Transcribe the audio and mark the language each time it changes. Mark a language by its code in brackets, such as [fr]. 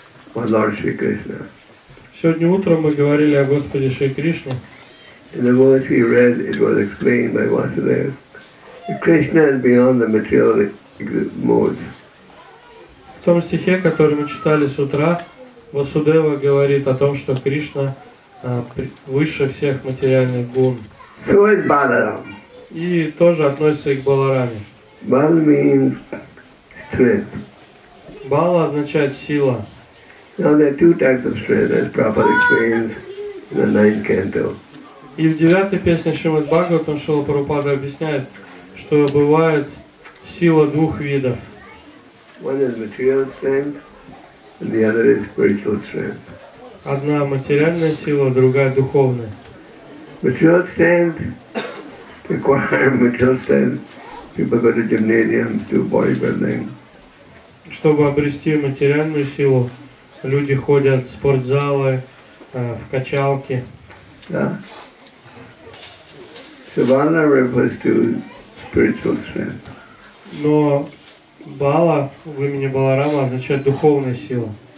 [ru] Сегодня утром мы говорили о Господе Шри Кришне. [en] In the words he read, it was explained by Vasudeva. Krishna is beyond the material mode. [ru] В том стихе, который мы читали с утра, Васудева говорит о том, что Кришна выше всех материальных гун. [en] So is Balaram. [ru] И тоже относится и к Балараме. [en] Bal means strength. [ru] Бала означает сила. [en] Now there are two types of strength, as Prabhupada explains in the ninth canto. [ru] И в девятой песне Шримад Бхагаватам Шрила Прабхупада объясняет, что бывает сила двух видов. [en] One is material strength, and the other is spiritual strength. [ru] одна материальная сила, другая духовная. [en] But you understand the requirement, you understand people go to gymnasium, do bodybuilding. [ru] Чтобы обрести материальную силу, люди ходят в спортзалы, в качалки. [en] Savana refers to spiritual strength. [ru] Но Бала в имени Баларама означает духовная сила.